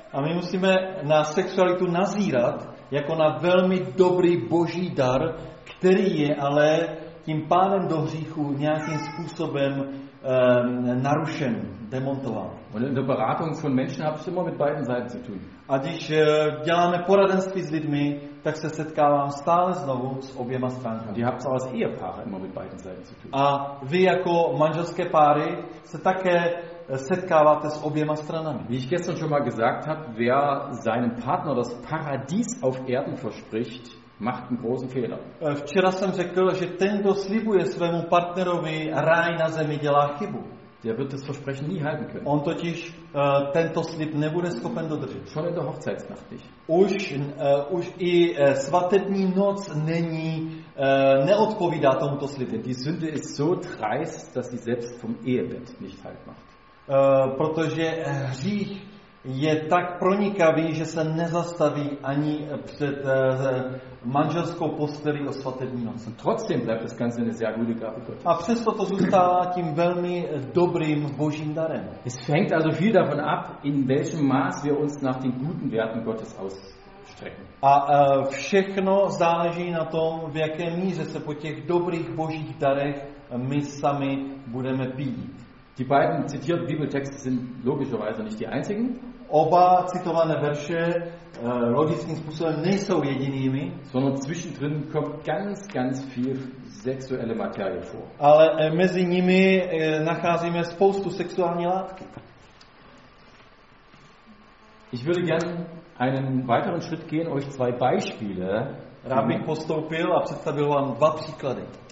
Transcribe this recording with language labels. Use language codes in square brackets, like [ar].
[cs] A my musíme na sexualitu nazírat jako na velmi dobrý boží dar, který je ale tím pádem do hříchu nějakým způsobem narušen, demontován. [de] Und in der Beratung von Menschen habe ich immer mit beiden Seiten zu tun. [cs] A když děláme poradenství s lidmi, tak se setkávám stále znovu s oběma stránkami. [de] Die habt's auch als Ehepaare immer mit beiden Seiten zu tun. [cs] A vy jako manželské páry se také setkáváte s oběma stranami. [de] Wie ich gestern schon mal gesagt habe, wer seinem Partner das Paradies auf Erden verspricht, macht einen großen Fehler. [cs] Včera jsem řekl, že ten, kdo slibuje svému partnerovi ráj na zemi, dělá chybu. [de] Der wird das Versprechen nie halten können. [cs] On totiž tento slib nebude schopen dodržet. [de] Schon in der Hochzeitsnacht nicht. [cs] Už i svatební noc není neodpovídá tomuto slibu. [de] Die Sünde ist so dreist, dass sie selbst vom Ehebett nicht halt macht. [cs] Protože hřích je tak pronikavý, že se nezastaví ani před manželskou postelí o svatební noc. [de] Trotzdem bleibt das Ganze eine sehr gute Gabe Gottes. [cs] A přesto to zůstává tím velmi dobrým božím darem. [de] Es fängt also viel davon ab, in welchem Maß wir uns nach den guten Werten Gottes ausstrecken. [cs] A všechno záleží na tom, v jaké míře se po těch dobrých božích darech my sami budeme pídit. [de] Die beiden zitierten Bibeltexte sind logischerweise nicht die einzigen. [cs] Oba citované verše logickým způsobem nejsou jedinými. [de] Sondern zwischendrin kommt ganz, ganz viel sexuelle Materie vor. [cs] Ale mezi nimi nacházíme spoustu sexuální látky. [de] Ich würde gerne einen weiteren Schritt gehen, euch zwei Beispiele. [cs] Rád bych postoupil a představil vám dva příklady.